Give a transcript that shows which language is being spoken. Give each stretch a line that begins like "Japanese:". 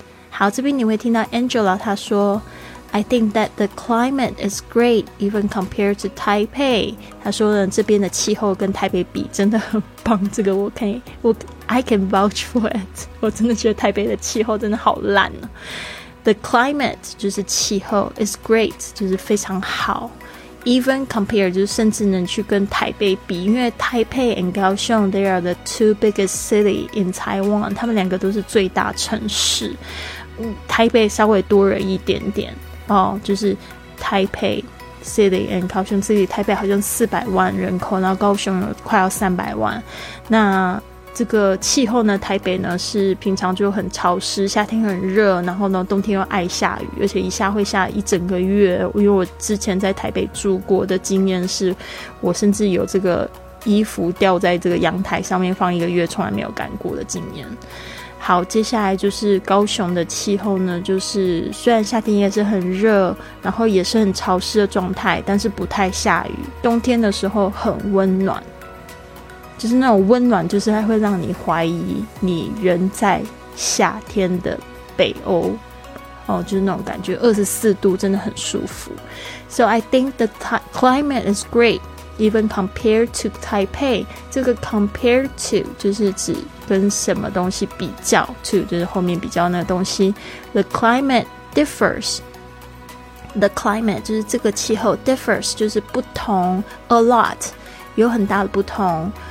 Chinese: 好，这边你会听到
English: Angela
Chinese: 她说
English: I think that the climate is great even compared to Taipei.
Chinese: 她说呢，这边的气候跟台北比真的很棒，这个
English: I can vouch for it.
Chinese: 我真的觉得台北的气候真的好烂啊。
English: The climate,
Chinese: 就是气候,
English: is great,
Chinese: 就是非常好。
English: Even compared,
Chinese: 就是甚至能去跟台北比。
English: 因为台北 and 高雄, they are the two biggest cities in Taiwan.
Chinese: 他们两个都是最大城市。台北稍微多人一点点。就是台北 city and 高雄 city, 台北好像400万人口，然后高雄有快要300万。那这个气候呢，台北呢是平常就很潮湿，夏天很热，然后呢冬天又爱下雨，而且一下会下一整个月。因为我之前在台北住过的经验是，我甚至有这个衣服吊在这个阳台上面放一个月，从来没有干过的经验。好，接下来就是高雄的气候呢，就是虽然夏天也是很热，然后也是很潮湿的状态，但是不太下雨，冬天的时候很温暖。就是那种温暖，就是它会让你怀疑你人在夏天的北欧，就是那种感觉，24度真的很舒服。
English: So I think the climate is great even compared to Taipei.
Chinese: 这个
English: compared to
Chinese: 就是指跟什么东西比较，
English: to
Chinese: 就是后面比较那个东西。
English: The climate differs. The climate
Chinese: 就是这个气候，
English: differs
Chinese: 就是不同，
English: a lot
Chinese: 有很大的不同。